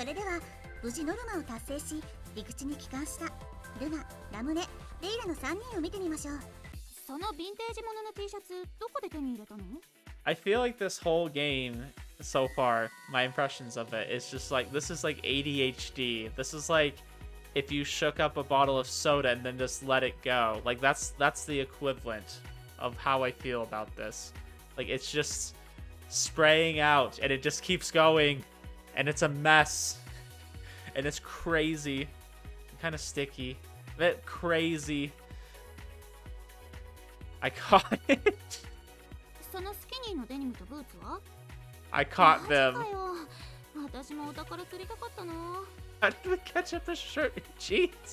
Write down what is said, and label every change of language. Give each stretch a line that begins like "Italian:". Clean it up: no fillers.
Japanese: それでは、無事ノルマを達成し、陸地に帰還したルナ、ラムネ、レイラの三人を見てみましょう。そのヴィンテージものの T シャツどこで手に入れたの？
English: I feel like this whole game so far, my impressions of it is just like, this is like ADHD. This is like if you shook up a bottle of soda and then just let it go. Like that's the equivalent of how I feel about this. Like it's just spraying out and it just keeps going and it's a mess and it's crazy, kind of sticky, a bit crazy. I caught it.
Japanese: そのスキニーのデニムとブーツは?
English: I caught them.
Japanese: マジかよ。私もお宝釣りたかったな。
English: How did we catch up a shirt and jeans?